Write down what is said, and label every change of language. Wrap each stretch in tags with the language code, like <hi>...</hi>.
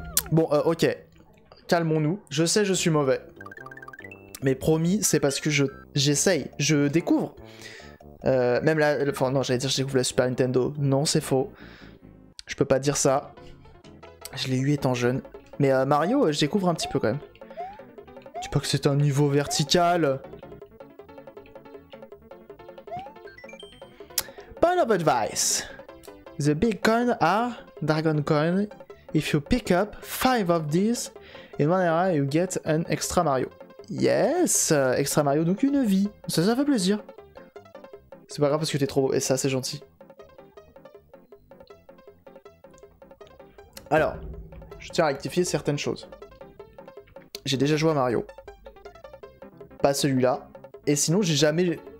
<fr>Bon, ok, calmons-nous, je sais je suis mauvais, mais promis, c'est parce que j'essaye, je découvre, même là, enfin non, j'allais dire je découvre la Super Nintendo, non c'est faux, je peux pas dire ça, je l'ai eu étant jeune, mais Mario, je découvre un petit peu quand même. Tu sais pas que c'est un niveau vertical?</fr> <en>Point of advice, the big coin are dragon coin. If you pick up 5 of these, in one area you get an extra Mario. Yes!</en> <fr>Extra Mario, donc une vie. Ça fait plaisir. C'est pas grave parce que t'es trop beau. Et ça, c'est gentil. Alors, je tiens à rectifier certaines choses. J'ai déjà joué à Mario. Pas celui-là. Et sinon, j'ai jamais...</fr>